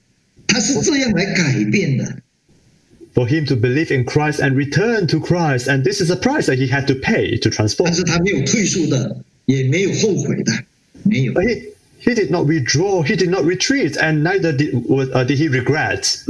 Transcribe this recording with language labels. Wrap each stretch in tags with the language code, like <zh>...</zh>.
<zh>他信耶稣归入主是付出这样的代价的，知道吗？他是这样来改变的。</zh> <en>For him to believe in Christ and return to Christ, and this is a price that he had to pay to transform.</en> <zh>但是他没有退缩的，也没有后悔的，没有。</zh> <en>He did not withdraw, he did not retreat, and neither did he regret.</en>